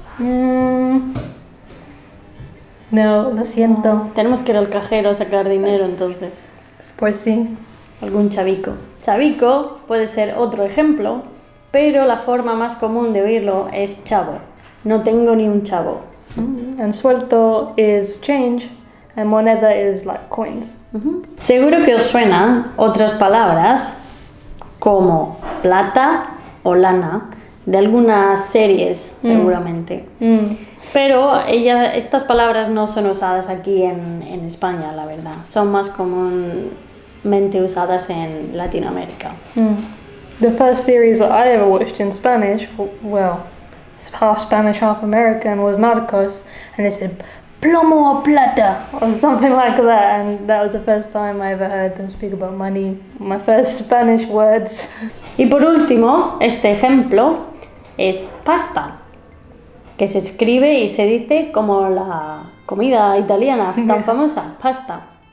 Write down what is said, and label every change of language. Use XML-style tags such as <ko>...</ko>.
<es>No, lo siento. Tenemos que ir al cajero a sacar dinero entonces. Pues sí. algún chavico. Chavico puede ser otro ejemplo, pero la forma más común de oírlo es chavo. No tengo ni un chavo.</es> <en>And suelto is change, and moneda is like coins.</en> <es>Seguro que os suenan otras palabras como plata o lana, de algunas series, seguramente. Pero estas palabras no son usadas aquí en España, la verdad. Son más comúnmente usadas en Latinoamérica.</es> <en>The first series that I ever watched in Spanish, well, half Spanish, half American, was Narcos, and they said</en> <es>plomo o plata</es> <en>or something like that, and that was the first time I ever heard them speak about money. My first Spanish words.</en> <es>Y por último, este ejemplo es pasta, que se escribe y se dice como la comida italiana tan famosa, pasta.</es>